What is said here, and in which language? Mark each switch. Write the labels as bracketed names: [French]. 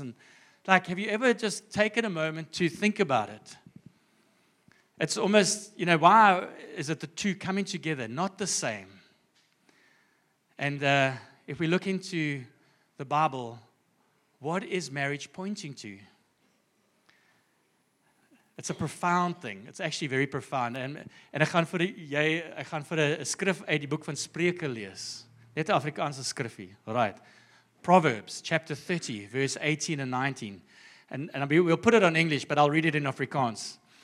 [English] And like, have you ever just taken a moment to think about it? It's almost, you know, why is it the two coming together, not the same? And if we look into the Bible, what is marriage pointing to? It's a profound thing. It's actually very profound. And [Afrikaans] ek gaan vir 'n skrif uit die boek van Spreuke lees. Net 'n Afrikaanse skrifie. [English] Right. Proverbs chapter 30, verse 18 and 19. And we'll put it on English, but I'll read it in Afrikaans.